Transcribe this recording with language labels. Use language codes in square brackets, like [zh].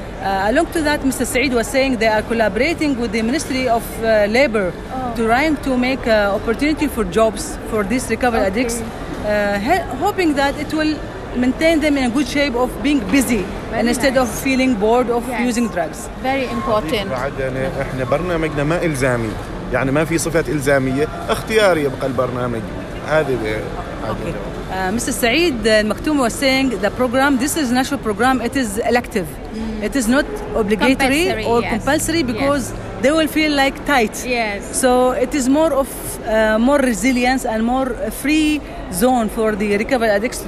[en] Along to that, Mr. Saeed was saying they are collaborating with the Ministry of Labor trying to make opportunity for jobs for these recovered addicts, hoping that it will maintain them in a good shape of being busy. Very instead nice. Of feeling bored of yes. using drugs. Very important. [ar] احنا برنامجنا ما الزامي, يعني ما في صفات الزاميه, اختياري يبقى البرنامج هذا. [en] Mr. Saeed Maktoumi was saying the program, this is national program, it is elective. It is not obligatory compulsory, or yes. compulsory, because yes. they will feel like tight. Yes. So it is more of more resilience and more free zone for the recovered addicts.